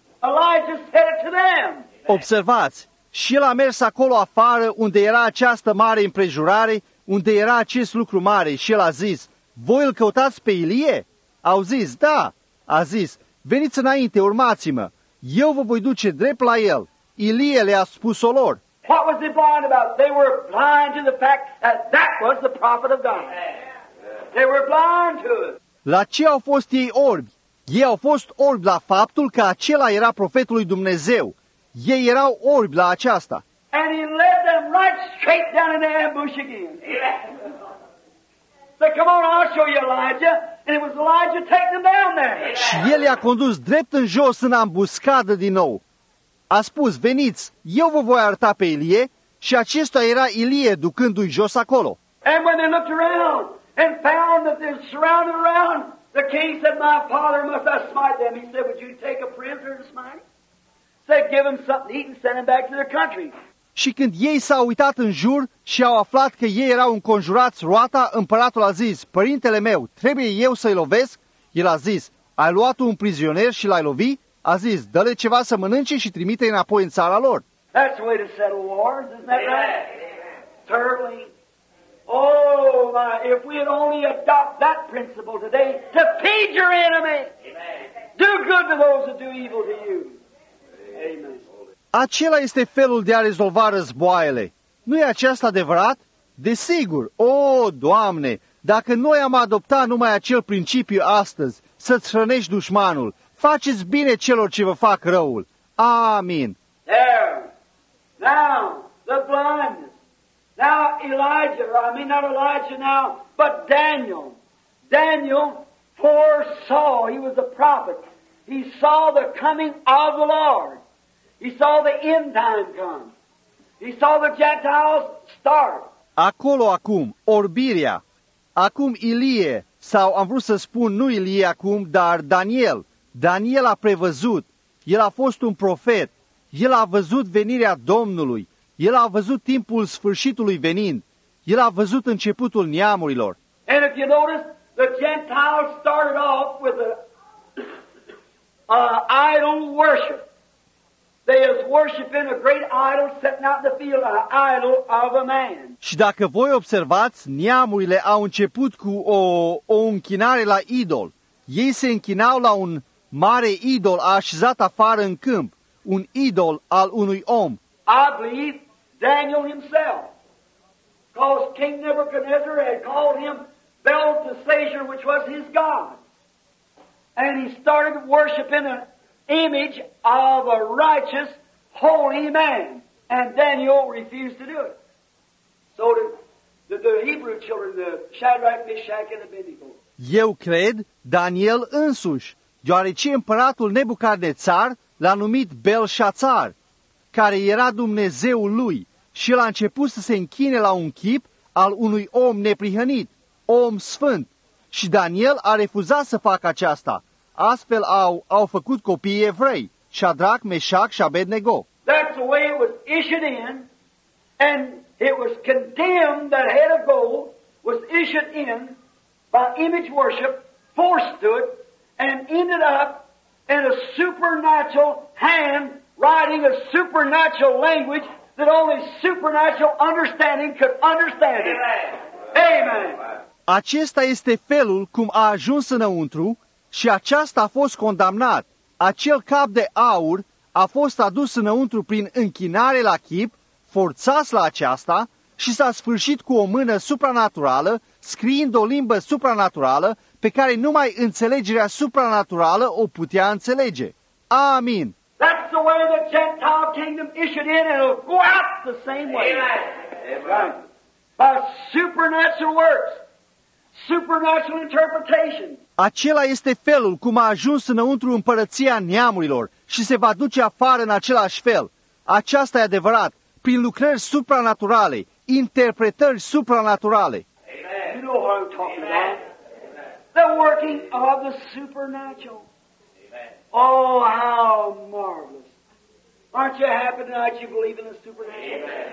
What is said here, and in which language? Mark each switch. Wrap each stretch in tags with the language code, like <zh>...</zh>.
<en>Elijah said it to them.</en> <ro>Observați. Și el a mers acolo afară unde era această mare împrejurare, unde era acest lucru mare și el a zis, voi îl căutați pe Ilie? Au zis, da. A zis, veniți înainte, urmați-mă, eu vă voi duce drept la el. Ilie le-a spus-o lor.</ro> <en>What was he blind about? They were blind to the fact that that was the prophet of God. They were blind to it.</en> <ro>La ce au fost ei orbi? Ei au fost orbi la faptul că acela era profetul lui Dumnezeu. Ei erau orbi la aceasta.</ro> <en>And he led them right straight down in the ambush again. Yeah. Said, come on, I'll show you Elijah. And it was Elijah taking them down there.</en> <ro>Și el i-a condus drept în jos în ambuscadă din nou. a spus, veniți, eu vă voi arăta pe Ilie, și acesta era Ilie ducându-i jos acolo.</ro> <en>And when they looked around and found that they're surrounded around, the king said, my father, must I smite them? He said, would you take a prisoner to smite? Said, give them something to eat and send them back to their country.</en> <ro>Și când ei s-au uitat în jur și au aflat că ei erau înconjurați roata, împăratul a zis, părintele meu, trebuie eu să-i lovesc? El a zis, ai luat un prizonier și l-ai lovit? A zis, dă-le ceva să mănânce și trimite-i înapoi în țara lor.</ro> <en>That's the way to settle wars, isn't that right? Terribly. Oh, my, if we had only adopted that principle today, to feed your enemy. Do good to those that do evil to you. Amen.</en> <ro>Acela este felul de a rezolva războaiele. Nu e aceasta adevărat? Desigur, o, Doamne, dacă noi am adoptat numai acel principiu astăzi, să-ți hrănești dușmanul, faceți bine celor ce vă fac răul. Amin.</ro> <en>There. Now, the blindness. Now, Daniel. Daniel foresaw, he was a prophet. He saw the coming of the Lord. He saw the end time come. He saw the Gentiles start.</en> <ro>Acolo acum, orbirea. Acum Ilie, sau am vrut să spun nu Ilie acum, dar Daniel. Daniel a prevăzut. El a fost un profet. El a văzut venirea Domnului. El a văzut timpul sfârșitului venind. El a văzut începutul neamurilor.</ro> <en>And if you notice, the Gentiles started off with a idol worship. They is worshiping a great idol sitting out in the field, an idol of a man.</en> <ro>Și dacă voi observați, neamurile au început cu o închinare la idol. Ei se închinau la un mare idol așezat afară în câmp, un idol al unui om.</ro> <en>I believe Daniel himself, because King Nebuchadnezzar had called him Belteshazzar, which was his god, and he started worshiping an image of a righteous, holy man, and Daniel refused to do it. So did the Hebrew children, the Shadrach, Meshach, and Abednego.</en> <ro>Eu cred Daniel însuși, deoarece împăratul Nebucadnețar l-a numit Belșațar, care era Dumnezeul lui, și el a început să se închine la un chip al unui om neprihănit, om sfânt, și Daniel a refuzat să facă aceasta. Astfel au făcut copiii evrei, Shadrach, Meshach și Abednego.</ro> <en>That's the way it was issued in, and it was condemned, that head of gold was issued in by image worship, forced to it, and ended up in a supernatural hand writing a supernatural language that only supernatural understanding could understand it. Amen.</en> <ro>Acesta este felul cum a ajuns înăuntru. Și aceasta a fost condamnat. Acel cap de aur a fost adus înăuntru prin închinare la chip, forțat la aceasta, și s-a sfârșit cu o mână supranaturală, scriind o limbă supranaturală pe care numai înțelegerea supranaturală o putea înțelege. Amin.</ro> <en>That's the way the Gentile kingdom issued in, and it'll go out the same way. Amen. By supernatural works, supernatural interpretation.</en> <ro>Acela este felul cum a ajuns înăuntru împărăția neamurilor și se va duce afară în același fel. Aceasta e adevărat, prin lucrări supranaturale, interpretări supranaturale.</ro> <en>Amen. You know what I'm talking Amen. About? The working of the supernatural. Amen. Oh, how marvelous. Aren't you happy tonight you believe in the supernatural?</en>